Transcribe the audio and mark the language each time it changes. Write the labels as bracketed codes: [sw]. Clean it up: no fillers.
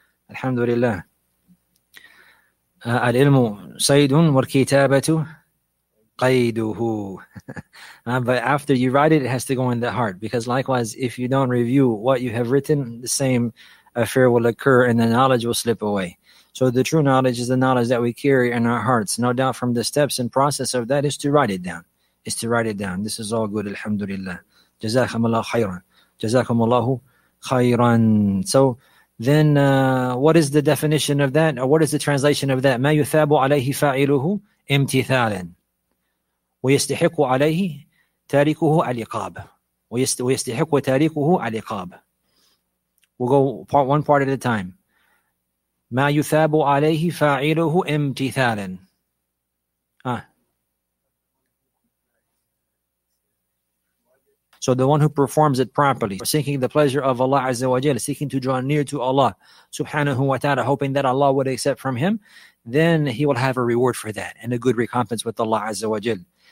[ar] الحمد لله العلم صيد والكتابة قيده. [en] But after you write it, it has to go in the heart, because likewise, if you don't review what you have written, the same affair will occur and the knowledge will slip away. So the true knowledge is the knowledge that we carry in our hearts. No doubt from the steps and process of that is to write it down. Is to write it down. This is all good. [ar] الحمد لله. جزاكم الله خيرا. جزاكم الله خيرا. [en] So then what is the definition of that? Or what is the translation of that? [ar] مَا يُثَابُ عَلَيْهِ فَاعِلُهُ امْتِثَالًا وَيَسْتِحِقُ عَلَيْهِ تَارِكُهُ عَلِقَابًا وَيَسْتِحِقُ تَارِكُهُ عَلِقَابًا. [en] We'll go part one part at a time. [ar] مَا يُثَابُ عَلَيْهِ فَاعِلُهُ امْتِثَالًا. [en] So the one who performs it properly, seeking the pleasure of Allah Azza wa Jalla, seeking to draw near to Allah subhanahu wa ta'ala, hoping that Allah would accept from him, then he will have a reward for that and a good recompense with Allah Azza wa Jalla.